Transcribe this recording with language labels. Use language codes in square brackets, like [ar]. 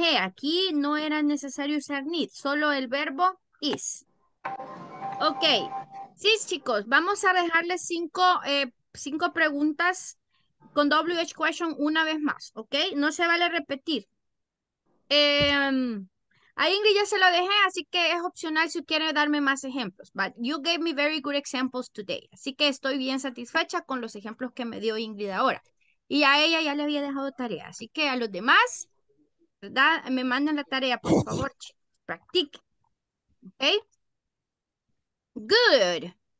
[es] Aquí no era necesario usar need, solo el verbo is. Ok. Sí, chicos, vamos a dejarles cinco preguntas con WH question una vez más, ¿ok? No se vale repetir. A Ingrid ya se lo dejé, así que es opcional si quiere darme más ejemplos. [en] But you gave me very good examples today. [es] Así que estoy bien satisfecha con los ejemplos que me dio Ingrid ahora. Y a ella ya le había dejado tarea. Así que a los demás, ¿verdad? Me mandan la tarea, por favor. Practique. ¿Ok? Good.